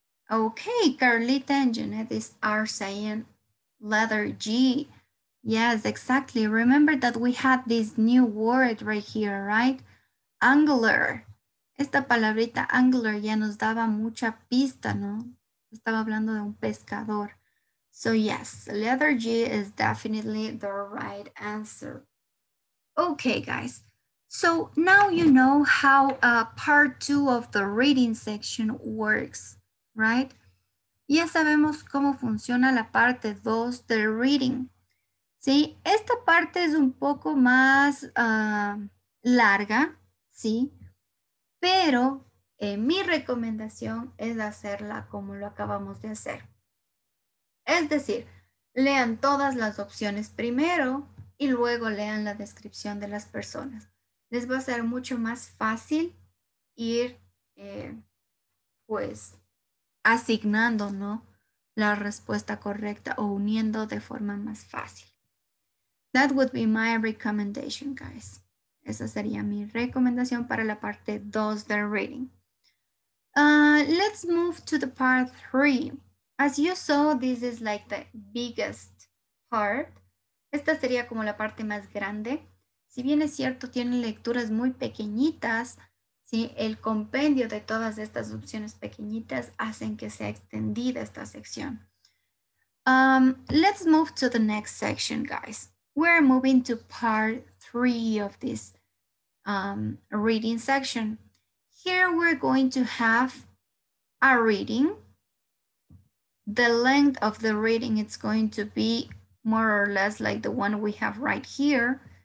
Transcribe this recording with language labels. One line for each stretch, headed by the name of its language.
English: Okay, Carlita and Jeanette are saying letter G. Yes, exactly. Remember that we had this new word right here, right? Angler.
Spanish: Esta palabrita angler ya nos daba mucha pista, ¿no? Estaba hablando de un pescador.
English: So yes, letter G is definitely the right answer. Okay, guys. So now you know how part two of the reading section works. Right?
Spanish: Ya sabemos cómo funciona la parte 2 del reading. ¿Sí? Esta parte es un poco más larga, ¿sí? Pero mi recomendación es hacerla como lo acabamos de hacer. Es decir, lean todas las opciones primero y luego lean la descripción de las personas. Les va a ser mucho más fácil ir, pues, asignando, ¿no?, la respuesta correcta o uniendo de forma más fácil.
English: That would be my recommendation, guys.
Spanish: Esa sería mi recomendación para la parte 2 del reading.
English: Let's move to the part 3. As you saw, this is like the biggest part.
Spanish: Esta sería como la parte más grande. Si bien es cierto, tiene lecturas muy pequeñitas, ¿sí? El compendio de todas estas opciones pequeñitas hacen que sea extendida esta sección.
English: Let's move to the next section, guys. We're moving to part 3 of this reading section. Here we're going to have a reading. The length of the reading is going to be more or less like the one we have right here.